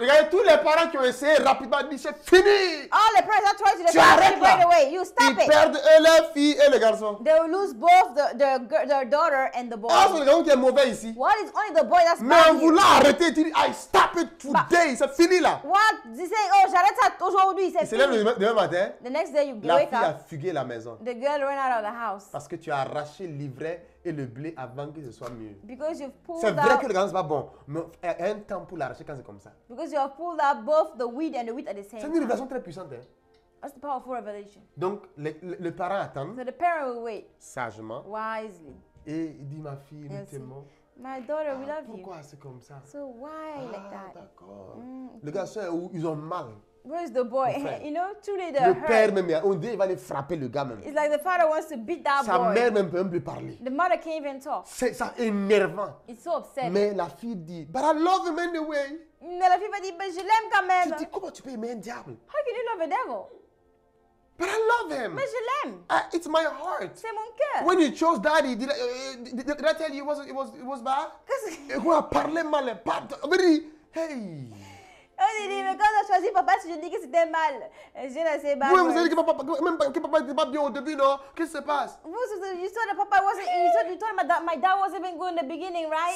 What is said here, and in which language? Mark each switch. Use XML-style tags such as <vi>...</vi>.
<fr>Regardez tous les parents qui ont essayé rapidement. Dit, c'est fini.</fr> <en>All the parents that tried to</en> <fr>tu arrêtes là.</fr> <en>Right away. You stop</en> <fr>ils</fr> <en>it.</en> <fr>Ils perdent eux, leur fille et le garçon.</fr> <en>They will lose both their daughter and the boy.</en> <fr>Ah, c'est le garçon qui est mauvais ici.</fr> <en>What is only the boy that's</en> <fr>mais</fr> <en>bad</en> <fr>mais en voulant arrêter, tu dis,</fr> <en>I stop it today. But</en> <fr>c'est fini là.</fr> <en>What? They say, oh,</en> <fr>j'arrête ça aujourd'hui. C'est le demain matin.</fr> <en>The next day you</en> <fr>la</fr> <en>wake</en> <fr>fille</fr> <en>up,</en> <fr>a fugué la maison.</fr> <en>The girl ran out of the house.</en> <fr>Parce que tu as arraché l'ivraie et le blé avant que ce soit mieux.</fr> <en>Because you've pulled</en> <fr>c'est vrai</fr> <en>out,</en> <fr>que le garçon n'est pas bon, mais il y a un temps pour l'arracher quand c'est comme ça.</fr> <en>Because you have pulled out both the weed and the wheat at the same time.</en> <fr>C'est une révélation très puissante. Hein?</fr> <en>That's the powerful revelation.</en> <fr>Donc le parent attend.</fr> <en>So the parent will wait.</en> <fr>Sagement.</fr> <en>Wisely.</en> <fr>Et il dit ma fille, nous t'aimons.</fr> <en>My daughter, ah, we love</en> <fr>pourquoi</fr> <en>you.</en> <fr>Pourquoi c'est comme ça?</fr> <en>So why ah, like that?</en> <fr>Le garçon est où? Ils ont mal.</fr> <en>Where's the boy? You know, truly the</en> <fr>le</fr> <en>hurt.</en> <fr>Père même, on dit il va aller frapper le gars même.</fr> <en>It's like the father wants to beat that</en> <fr>sa</fr> <en>boy.</en> <fr>Sa mère même peut même plus parler.</fr> <en>The mother can't even talk.</en> <fr>C'est ça énervant.</fr> <en>It's so upset.</en> <fr>Mais la fille dit,</fr> <en>but I love him anyway.</en> <fr>Mais la fille va dire, mais je l'aime quand même. Tu dis comment tu peux aimer un diable?</fr> <en>How can you love a devil? But I love him.</en> <fr>Mais je l'aime.</fr> <en>It's my heart.</en> <fr>C'est mon cœur.</fr> <en>When you chose daddy, did I tell you it was bad?</en> <fr>Qu'est-ce que? Et quoi? Parler mal, pardon. Hey. On dit, mais quand on a choisi papa, je dis que c'était mal. Je ne sais pas. Oui, vous avez dit que papa n'était pas bien au début, non? Qu'est-ce qui se passe?</fr> <en>Vous, you saw that papa wasn't, you saw you told my dad wasn't even good in the beginning, right?</en>